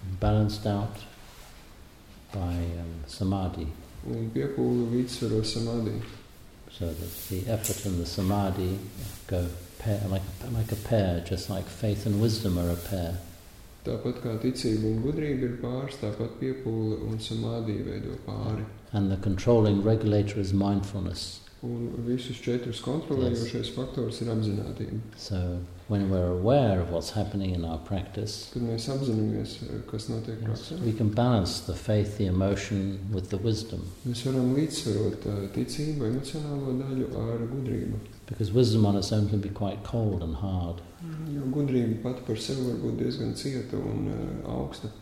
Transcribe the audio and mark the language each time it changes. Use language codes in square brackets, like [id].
[en] balanced out by samādhi. [lv] Un piepūli līdzsvaro samādhi. [en] So that the effort and the samadhi go pair, like a pair, just like faith and wisdom are a pair. [lv] Tāpat kā ticība un gudrība ir pāris, tāpat piepūle un samadhi veido pāri. [en] And the controlling regulator is mindfulness. [lv] Un visus četrus kontrolējošais faktors ir apzinātība. [en] So when we're aware of what's happening in our practice, [lv] kad mēs apzināmies, kas notiek praksē, [en] we can balance the faith, the emotion with the wisdom. [lv] Mēs varam līdzsvarot ticību, emocionālo daļu ar gudrību. [en] Because wisdom on its own can be quite cold and hard. [lv] Jo gudrība pati par sevi var būt diezgan cieta un augsta.